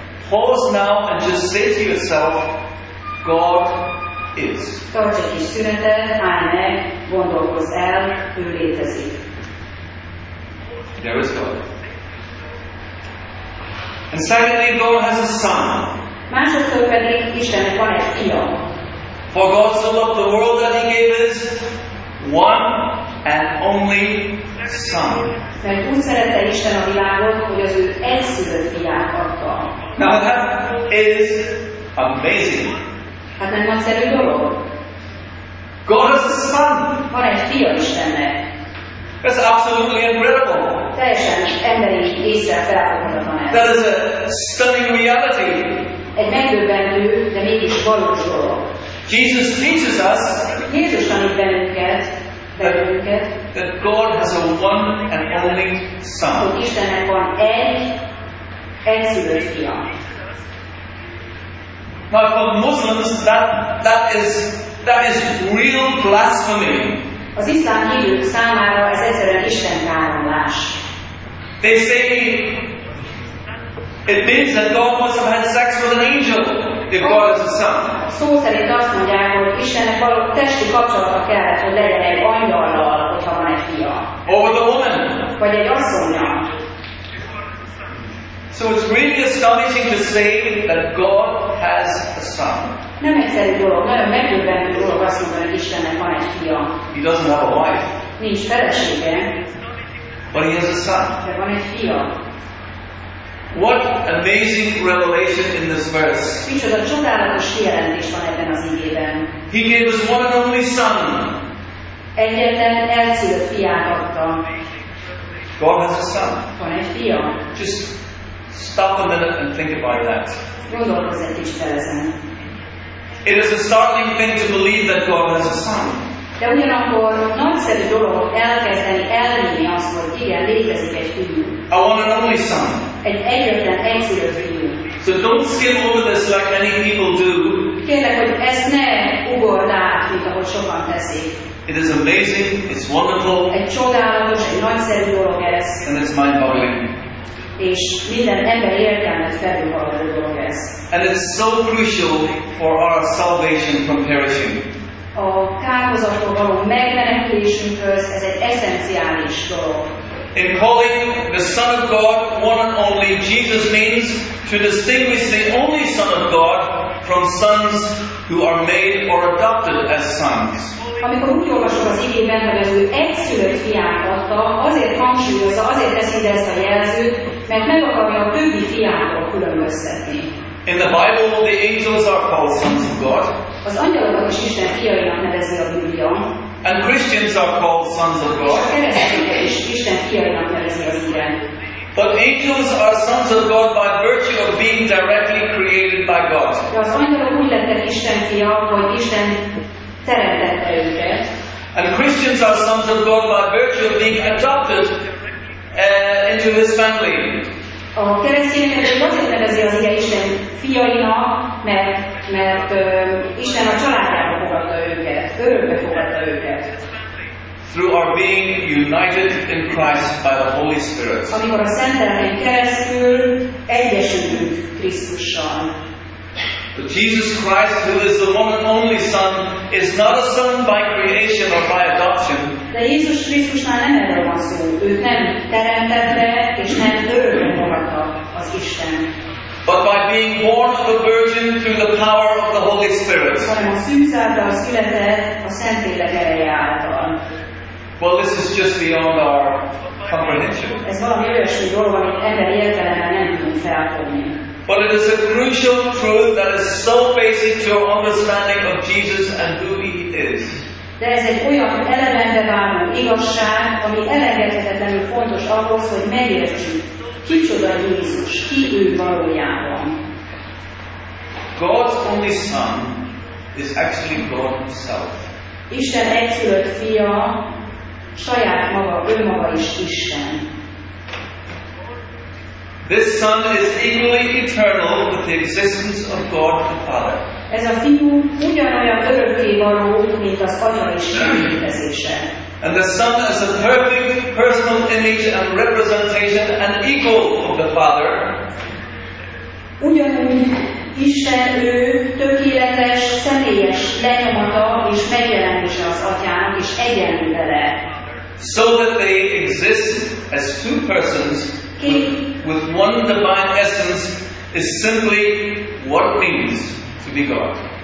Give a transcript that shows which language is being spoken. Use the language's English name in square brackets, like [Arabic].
[English] Pause now and just say to yourself, God is. [Hungarian] Tartsd egy kis szünetet, állj meg, gondolkozz el, ő létezik. [English] There is God. And secondly, God has a son. [Hungarian] Másodszor pedig Istennek van egy fia. [English] For God so loved the world that he gave his one and only son. [Hungarian] Mert úgy szerette Isten a világot, hogy az ő egyszülött fiát adta. [English] Now that is amazing. [Hungarian] Hát nem nagyszerű dolog? [English] God has a son. [Hungarian] Van egy fia Istennek. [English] That's absolutely incredible. [Hungarian] Teljesen emberi észre felfoghatatlan ez. [English] That is a stunning reality. [Hungarian] Egy megdöbbentő, de mégis valós dolog. [English] Jesus teaches us. [Hungarian] Jézus tanít bennünket, [English] that God has a one and only son. [Hungarian] Hogy Istennek van egy szülött fia. [English] Now for Muslims, that is real blasphemy. [Hungarian] Az iszlám hívők számára ez egyszerűen Isten káromlás. [English] They say it means that God must have had sex with an angel if God is a son. [Hungarian] Szó szerint azt mondják, hogy Istennek való testi kapcsolata kellett, hogy legyen egy angyallal, hogyha van egy fia. [English] Or with a woman. [Hungarian] Vagy egy asszonynal. [English] So it's really astonishing to say that God has a son. [Hungarian] Nem egyszerű dolog, nagyon megdöbbentő dolog azt mondani, hogy Istennek van egy fia. [English] He doesn't have a wife. [Hungarian] Nincs felesége. [English] But he has a son. [Hungarian] De van egy fia. [English] What amazing revelation in this verse. [Hungarian] Micsoda csodálatos kijelentés van ebben az igében. [English] He gave his one and only son. [Hungarian] Egyetlen elszülött fiát adta. [English] God has a son. [Hungarian] Van egy fia. [English] Just stop a minute and think about that. [Hungarian] Gondolkozz egy kicsit ezen. [English] It is a startling thing to believe that God has a son. [Hungarian] De ugyanakkor nagyszerű dolog elkezdeni elhinni azt, hogy igen, létezik egy fiú. [English] A one and only son. [Hungarian] Egy egyetlen egyszülött fiú. [English] So don't skip over this like many people do. [Hungarian] Kérlek, hogy ezt ne ugord át, mint ahogy sokan teszik. [English] It is amazing, it's wonderful. [Hungarian] Egy csodálatos, egy nagyszerű dolog ez. [English] And it's mind-boggling. [Hungarian] És minden ember értelmet felülhaladó dolog ez. [English] And it's so crucial for our salvation from perishing. [Hungarian] A kárhozatról való megmenekülésünkhöz ez egy eszenciális dolog. [English] In calling the Son of God one and only, Jesus means to distinguish the only Son of God from sons who are made or adopted as sons. [Hungarian] Amikor úgy olvasok az igében, hogy az ő egyszülött fiát adta, azért hangsúlyozza, azért teszi ezt a jelzőt, mert meg akarja a többi fiától különböztetni. [English] In the Bible, the angels are called sons of God. [Hungarian] Az angyalokat is Isten fiainak nevezi a Biblia. [English] And Christians are called sons of God. [Hungarian] És a keresztények is Isten fiainak nevezi az Úrán. [English] But angels are sons of God by virtue of being directly created by God. [Hungarian] De az angyalok úgy Isten fia, hogy Isten szeretette őket. [English] And Christians are sons of God by virtue of being adopted into His family. [Hungarian] A keresztényeket azért nevezi az ige Isten fiainak, mert Isten a családjába fogadta őket, örökbe fogadta őket. [English] Through our being united in Christ by the Holy Spirit. [Hungarian] Amikor a Szentlélek keresztül egyesülünk Krisztussal. [English] But Jesus Christ, who is the one and only Son, is not a son by creation or by adoption. [Hungarian] De Jézus Krisztusnál nem erről van szó. Ő nem teremtetve és nem örökbe fogadta az Isten. [English] But by being born of a virgin through the power of the Holy Spirit. [Hungarian] Hanem a szűz által született a Szentlélek ereje által. [English] Well, this is just beyond our comprehension. [Hungarian] Ez valami olyasmi dolog, amit emberi értelemmel nem tudunk felfogni. [English] But it is a crucial truth that is so basic to our understanding of Jesus and who He is. [Hungarian] De ez egy olyan elemente váló igazság, ami elengedhetetlenül fontos ahhoz, hogy megértsük, kicsoda Jézus, ki ő valójában. [English] God's only Son is actually God Himself. [Hungarian] Isten egyszülött fia, saját maga, önmaga is Isten. [English] This Son is equally eternal with the existence of God the Father. [Hungarian] Ez a fiú ugyanolyan örökké való, mint az Atya és létezése. [English] And the Son is a perfect personal image and representation and equal of the Father. [Hungarian] Ugyanúgy Isten ő tökéletes, személyes lenyomata és megjelenése az Atyának és egyenlő vele. [English] So that they exist as two persons with one divine essence is simply what it means to be God.